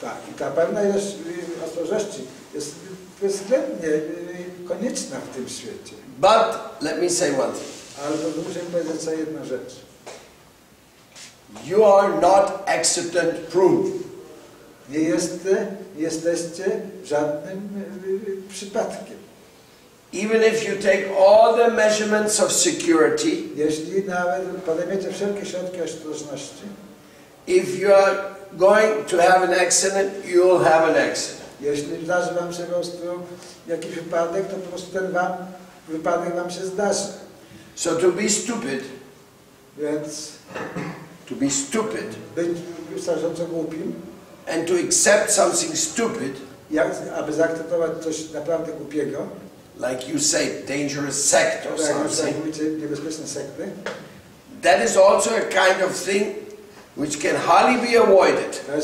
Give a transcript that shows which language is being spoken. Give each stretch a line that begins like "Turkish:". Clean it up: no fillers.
Polish: Tak, i ta pewna ostrożności jest bezwzględnie konieczna w tym świecie.
English: But let me say one thing.
Polish: Ale to muszę powiedzieć jedną rzecz.
English: You are not accident proof.
Polish: Nie jesteście żadnym przypadkiem.
English: Even if you take all the measurements of security,
Polish: jeśli nawet podejmiecie wszelkie środki ostrożności,
English: if you are going to have an accident, you will have an accident.
Polish: Jeśli zdarzy wam się po prostu jakiś wypadek, to po prostu ten wypadek wam się zdarzy.
English: So to be stupid.
Polish: Więc
English: to be stupid.
Polish: Być wystarczająco głupim.
English: And to accept something stupid.
Polish: Aby zaakceptować coś naprawdę głupiego.
English: Like you say, dangerous sect or something.
Polish: Jak mówicie, niebezpieczne sekty.
English: That is also a kind of thing which can hardly be avoided.